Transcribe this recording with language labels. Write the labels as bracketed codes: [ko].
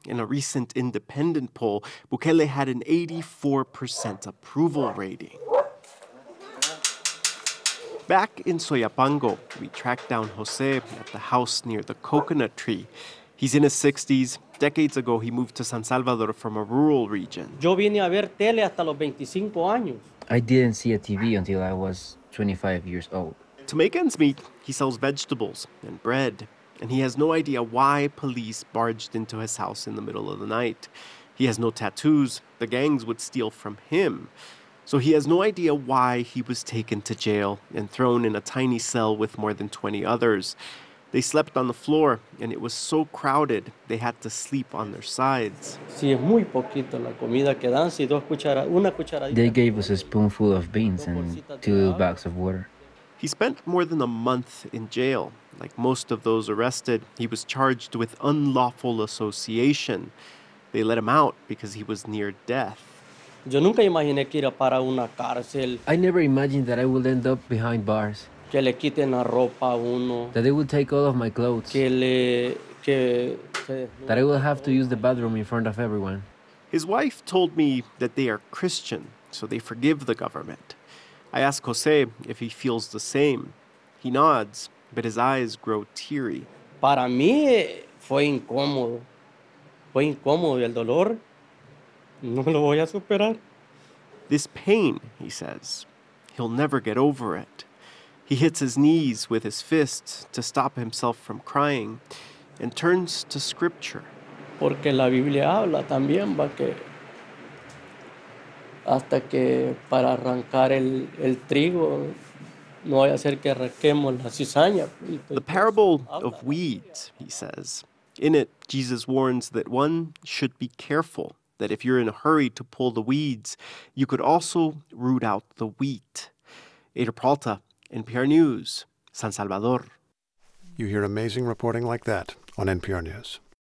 [en] In a recent independent poll, Bukele had an 84% approval rating. Back in Soyapango, we tracked down Jose at the house near the coconut tree. He's in his 60s. Decades ago, he moved to San Salvador from a rural region. [es] Yo vine a ver tele hasta los 25 años. [en] I didn't see a TV until I was 25 years old. To make ends meet, he sells vegetables and bread, and he has no idea why police barged into his house in the middle of the night. He has no tattoos. The gangs would steal from him. So he has no idea why he was taken to jail and thrown in a tiny cell with more than 20 others. They slept on the floor, and it was so crowded, they had to sleep on their sides. They gave us a spoonful of beans and two little bags of water. He spent more than a month in jail. Like most of those arrested, he was charged with unlawful association. They let him out because he was near death. [es] Yo nunca imaginé que iba para una cárcel. [en] I never imagined that I would end up behind bars. [es] Que le quiten la ropa a uno. [en] That they would take all of my clothes. That I would have to use the bathroom in front of everyone. His wife told me that they are Christian, so they forgive the government. I ask Jose if he feels the same. He nods, but his eyes grow teary. [es] Para mí fue incómodo. Fue incómodo el dolor. No lo voy a superar. [en] This pain, he says, he'll never get over it. He hits his knees with his fists to stop himself from crying and turns to scripture. [es] Porque la Biblia habla también, va, que hasta que para arrancar el trigo no vaya a ser que arranquemos la cizaña. [en] The parable of weeds, he says. In it, Jesus warns that one should be careful, that if you're in a hurry to pull the weeds, you could also root out the wheat. Ada Peralta, NPR News, San Salvador. You hear amazing reporting like that on NPR News.